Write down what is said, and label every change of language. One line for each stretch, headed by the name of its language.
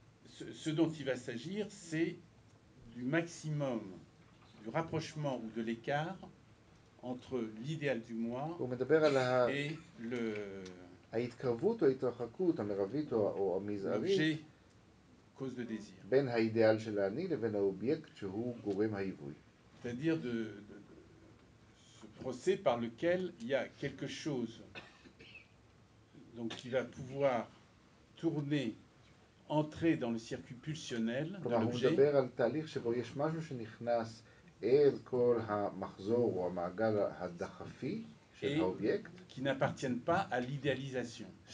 French: Ce dont il va s'agir, c'est du maximum, du rapprochement ou de l'écart entre l'idéal du moi et le.
Hebrew: ההתקרבות או ההתרחקות, המרבית או המזערית.
French: cause de désir.
Hebrew: בין האידיאל של האני לבין האובייקט שהוא גורם העיווי.
French: C'est-à-dire de. Ce procès par lequel il y a quelque chose donc qui va pouvoir tourner, entrer dans le circuit pulsionnel de l'objet et qui n'appartiennent pas à l'idéalisation.